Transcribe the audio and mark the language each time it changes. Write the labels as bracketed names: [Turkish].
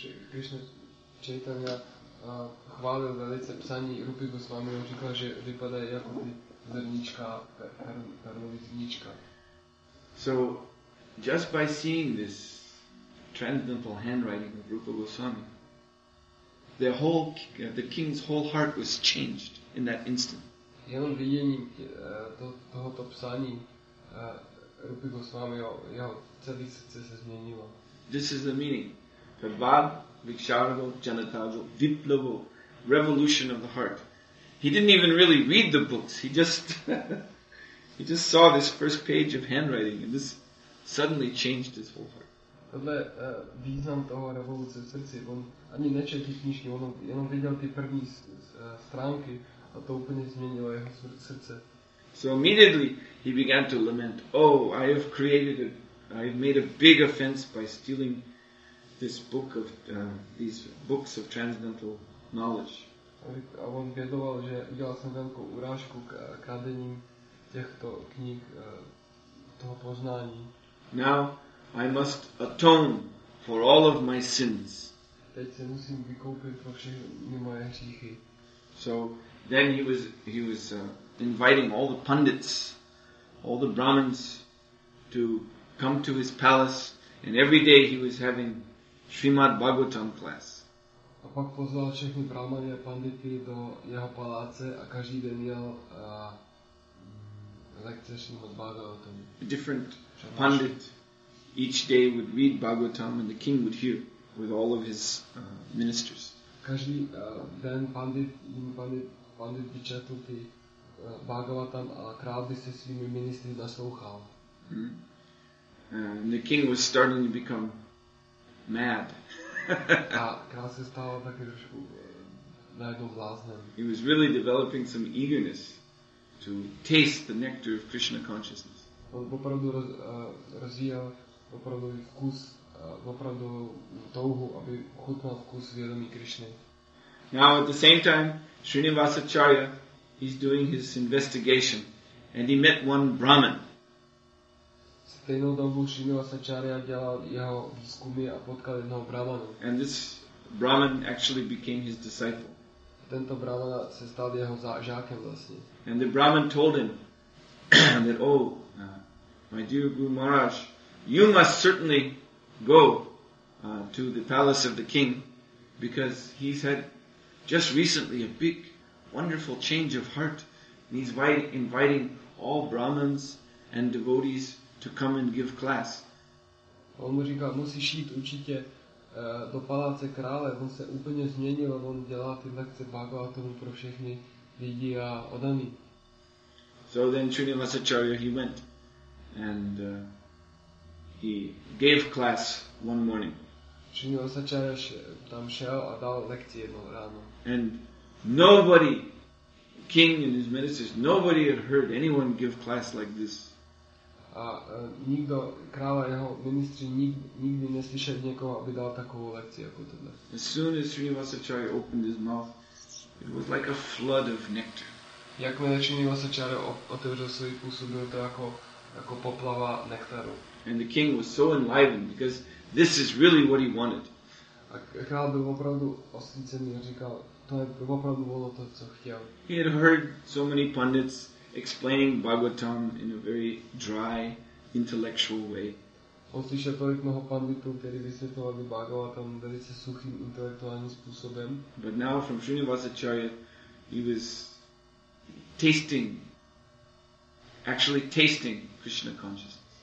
[Czech] Krishna Chaitanya chválil velice psaní Rupy Goswami, on říkal, že vypadá jako ty zrnička, perlový zrnička. [English] So just by seeing this transcendental handwriting of Rupa Goswami, the king's whole heart was changed in that instant. [Czech] Jenom viděním tohoto psaní Rupy Goswami, jeho celé srdce se změnilo. [English] This is the meaning. [Sanskrit] Prabhad, Vikshargo, Janatajo, Viplavo, [English] revolution of the heart. He didn't even really read the books. He just he just saw this first page of handwriting and this suddenly changed his whole heart. [Czech] Tohle význam toho revoluce v srdci. On ani nečetl ty knížky, on jenom viděl ty první stránky a to úplně změnilo jeho srdce. [English] So immediately he began to lament, oh, I have made a big offense by stealing this book of these books of transcendental knowledge. [Czech] A on bědoval, že udělal jsem velkou urážku k kradením těchto knih toho poznání. [English] Now I must atone for all of my sins. [Czech] Teď se musím vykoupit pro všechny moje hříchy. [English] So then he was inviting all the pundits, all the brahmins to come to his palace, and every day he was having Srimad Bhagavatam class. [Czech] A pak pozval všechny brahmany a pandity do jeho paláce a každý den měl lekce Srimad Bhagavatam. [English] A different pundit each day would read Bhagavatam and the king would hear with all of his ministers. [Czech] Každý den pandit by četl ty Bhagavatam a král by se svými ministry naslouchal. [English] And the king was starting to become mad. [Czech] A král se stal taky trošku najednou bláznem. [English] He was really developing some eagerness to taste the nectar of Krishna consciousness. [Czech] On opravdu rozvíjel opravdu vkus, opravdu touhu, aby chutnal vkus vědomí Krishny. [English] Now at the same time, Srinivasacharya, he's doing his investigation, and he met one Brahmin. [Czech] Stejnou dobu Srinivasacharya dělal jeho výzkumy a potkal jednoho brahmana. [English] And this brahmin actually became his disciple. [Czech] Tento brahmana se stal jeho žákem vlastně. [English] And the brahmin told him that, oh, my dear Guru Maharaj, you must certainly go to the palace of the king because he's had just recently a big, wonderful change of heart. And he's inviting all brahmins and devotees to come and give class. [Czech] On mu říkal, musíš jít určitě do paláce krále, on se úplně změnil, on dělá ty lekce Bhagavatamu pro všechny lidi a odaný. [English] So then Srinivasacharya, he went and he gave class one morning. [Czech] Srinivasacharya tam šel a dal lekci jedno ráno. [English] And nobody, king and his ministers, nobody had heard anyone give class like this. [Czech] A nikdo, král a jeho ministři nikdy neslyšeli někoho, aby dal takovou lekci jako tohle. [English] As soon as Srinivasacharya opened his mouth, it was like a flood of nectar. [Czech] Jakmile Srinivasacharya otevřel svůj pusu, bylo to jako poplava nektaru. [English] And the king was so enlivened because this is really what he wanted. [Czech] A král byl opravdu osvícený a říkal, to je opravdu bylo to, co chtěl. [English] He had heard so many pundits explaining Bhagavatam in a very dry, intellectual way. [Czech] On slyšel tolik mnoho panditů, který vysvětlovali Bhagavatam velice suchým intelektuálním způsobem. [English] But now from Srinivasacharya, he was actually tasting Krishna consciousness.